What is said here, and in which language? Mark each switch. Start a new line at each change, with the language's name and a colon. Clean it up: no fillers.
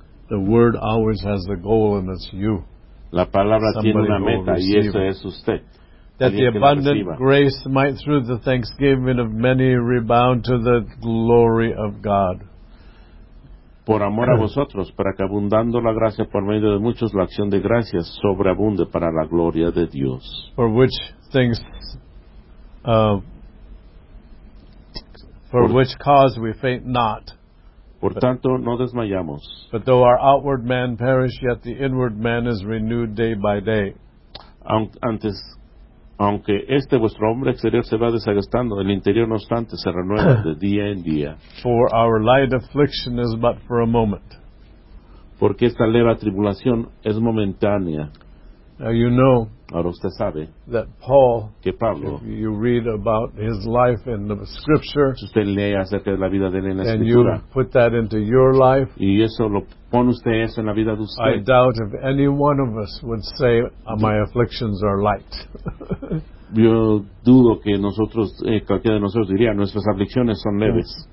English: The word always has a goal and it's you.
Spanish: La palabra Somebody tiene una meta y eso es usted.
English: That the abundant grace might through the thanksgiving of many rebound to the glory of God.
Spanish: Por amor a vosotros, para que abundando la gracia por medio de muchos, la acción de gracias sobreabunde para la gloria de Dios.
English: For which things, for which cause we faint not.
Spanish: Por tanto, no desmayamos.
English: But though our outward man perish, yet the inward man is renewed day by day.
Spanish: Aunque este vuestro hombre exterior se va desagastando, el interior no obstante se renueva de día en día.
English: For our light affliction is but for a moment.
Spanish: Porque esta leve tribulación es momentánea.
English: Now you know.
Spanish: Ahora usted sabe.
English: That Paul.
Spanish: Que Pablo.
English: If you read about his life in the scripture.
Spanish: Si usted lee acerca de la vida de él en la escritura.
English: And you put that into your life.
Spanish: Y eso lo pone usted eso en la vida de usted.
English: I doubt if any one of us would say my afflictions are light.
Spanish: Yo dudo que nosotros, cualquiera de nosotros diría, nuestras aflicciones son leves.